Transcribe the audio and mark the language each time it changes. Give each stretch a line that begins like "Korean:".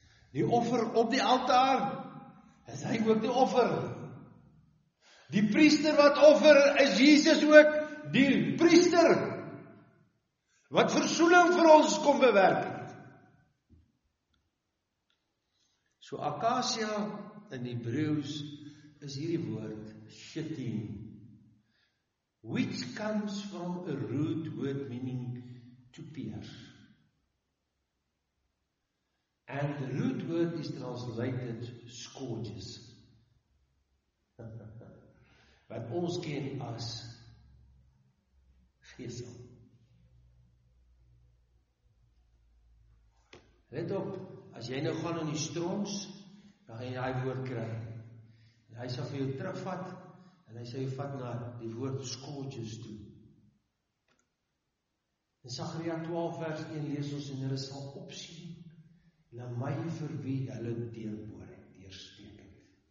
Afrikaans: Die offer op die altaar, is hy ook die offer. Die priester wat offer, is Jesus ook die priester wat versoening vir ons kom bewerk. So akasia in Hebreeus is hierdie woord shittim,
English: which comes from a root word meaning to pierce, and the root word is translated scourges,
Afrikaans: wat ons ken as gesel. Let op, as jy nou gaan in die stroms, dan gaan jy daai woord kry. En hy sal vir jou terugvat, en hy sal jou vat na die woord skootjes toe. In Sagaria 12 vers 1 lees ons, en hulle sal opsien na my vir wie hulle deurboor het, deursteek het.